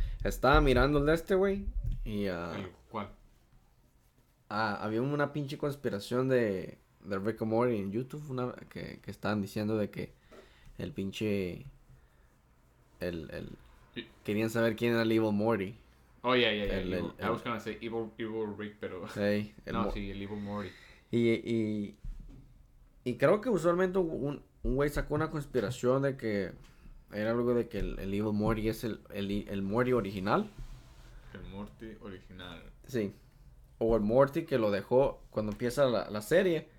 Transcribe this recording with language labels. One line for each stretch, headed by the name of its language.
Spanish: Estaba mirando el de este, güey, y... ¿Cuál? Había una pinche conspiración de Rick and Morty en YouTube, una que estaban diciendo de que el pinche, el, sí. Querían saber quién era el Evil Morty.
English: Oh, yeah, yeah, yeah. I was gonna say Evil Rick,
Spanish: pero. Hey, el Evil Morty. Y creo que usualmente un güey sacó una conspiración de que era algo de que el Evil Morty es el Morty original. El Morty original. Sí. O el Morty que lo dejó cuando empieza la serie.